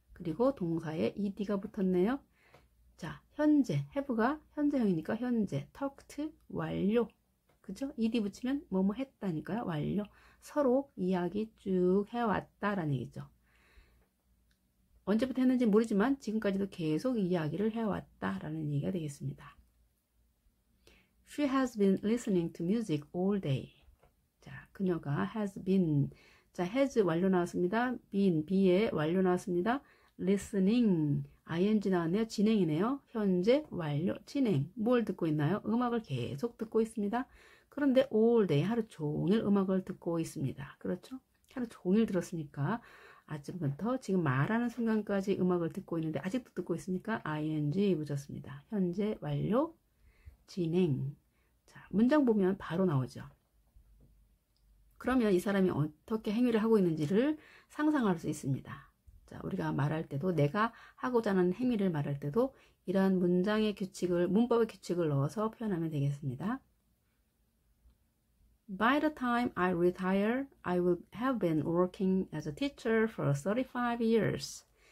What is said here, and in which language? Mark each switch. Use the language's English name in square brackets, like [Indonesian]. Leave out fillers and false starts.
[Korean] 그리고 동사에 ed가 붙었네요. 자, 현재, have가 현재형이니까 현재, talked, 완료. 그죠? ed 붙이면 뭐뭐 했다니까요. 완료. 서로 이야기 쭉 해왔다라는 얘기죠. 언제부터 했는지 모르지만 지금까지도 계속 이야기를 해왔다라는 얘기가 되겠습니다. [English] She has been listening to music all day. [Korean] 자, 그녀가 has been. 자, has 완료 나왔습니다. been, be에 완료 나왔습니다. listening, ing 나왔네요. 진행이네요. 현재, 완료, 진행. 뭘 듣고 있나요? 음악을 계속 듣고 있습니다. 그런데 all day, 하루 종일 음악을 듣고 있습니다. 그렇죠? 하루 종일 들었으니까. 아침부터 지금 말하는 순간까지 음악을 듣고 있는데 아직도 듣고 있으니까 ing 붙였습니다. 현재, 완료, 진행. 자, 문장 보면 바로 나오죠. 그러면 이 사람이 어떻게 행위를 하고 있는지를 상상할 수 있습니다. 자, 우리가 말할 때도 내가 하고자 하는 행위를 말할 때도 이러한 문장의 규칙을, 문법의 규칙을 넣어서 표현하면 되겠습니다. [English] By the time I retire, I will have been working as a teacher for 35 years.